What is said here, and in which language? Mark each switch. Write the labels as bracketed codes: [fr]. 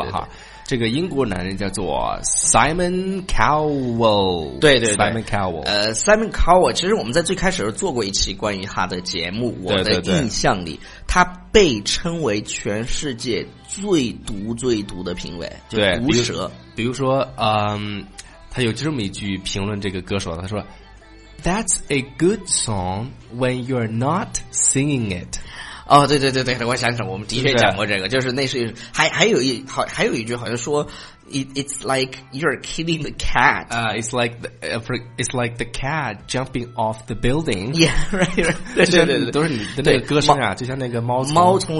[zh] 对，哈，这个英国男人叫做 Simon Cowell。对对对， Simon Cowell， Simon Cowell， 其实我们在最开始做过一期关于他的节目。对对对，我的印象里他被称为全世界最毒最毒的评委，就毒舌。比如说他有这么一句评论这个歌手，他说 [en] That's a good song when you're not singing it。 [zh] 哦，对对对对，我想想，我们的确讲过这个，就是那是还有一句好像说 [en] it's like you're killing the cat。 It's like the cat jumping off the building。 Yeah，right， right， [zh] 对对对，都是你的那个歌声啊，就像那个猫从